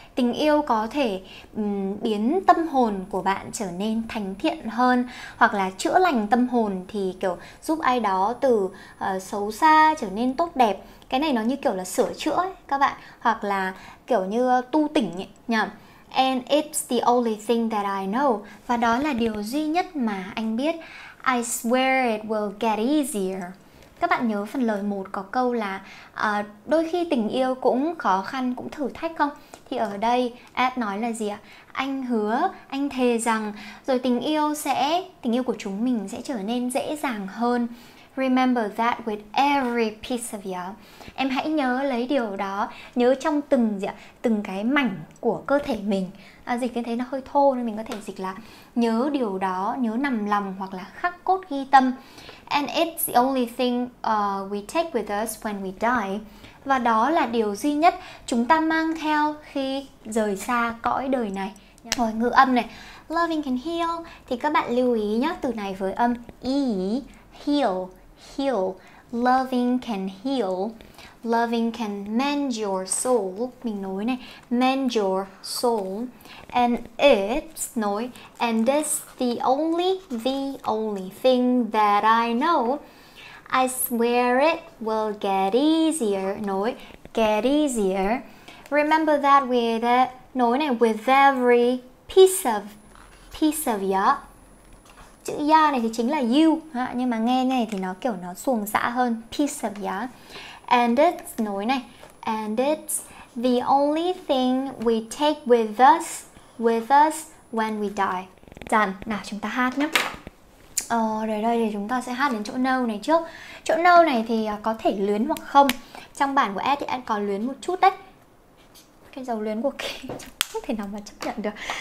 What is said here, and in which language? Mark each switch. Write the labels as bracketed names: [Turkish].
[Vietnamese] Tình yêu có thể biến tâm hồn của bạn trở nên thánh thiện hơn, hoặc là chữa lành tâm hồn thì kiểu giúp ai đó từ xấu xa trở nên tốt đẹp. Cái này nó như kiểu là sửa chữa ấy các bạn, hoặc là kiểu như tu tỉnh ấy nhỉ. [English] And it's the only thing that I know. [Vietnamese] Và đó là điều duy nhất mà anh biết. [English] I swear it will get easier. [Vietnamese] Các bạn nhớ phần lời 1 có câu là đôi khi tình yêu cũng khó khăn, cũng thử thách không? Thì ở đây Ad nói là gì ạ? Anh hứa, anh thề rằng rồi tình yêu của chúng mình sẽ trở nên dễ dàng hơn. [English] Remember that with every piece of you. [Vietnamese] Em hãy nhớ lấy điều đó, nhớ trong từng gì ạ? Từng cái mảnh của cơ thể mình. Dịch như thế nó hơi thô nên mình có thể dịch là nhớ điều đó, nhớ nằm lòng hoặc là khắc cốt ghi tâm. [English] And it's the only thing we take with us when we die. [Vietnamese] Và đó là điều duy nhất chúng ta mang theo khi rời xa cõi đời này. Rồi ngữ âm này, loving can heal, thì các bạn lưu ý nhé, từ này với âm y. [English] Heal, heal, loving can heal, loving can mend your soul, mình [Vietnamese] nối này, [English] mend your soul, and it's nối, and this the only thing that I know, I swear it will get easier, nối, get easier, remember that with it, nối này, with every piece of ya. [Vietnamese] Chữ ya này thì chính là you, nhưng mà nghe này thì nó kiểu nó xuồng xã hơn, piece of ya. [English] And it's, [Vietnamese] nối này, [English] and it's the only thing we take with us when we die. [Vietnamese] Done, nào chúng ta hát nhé. Rồi đây thì chúng ta sẽ hát đến chỗ no này trước. Chỗ no này thì có thể luyến hoặc không. Trong bản của Ed thì Ed có luyến một chút đấy. Cái dấu luyến của Kỳ không thể nào mà chấp nhận được.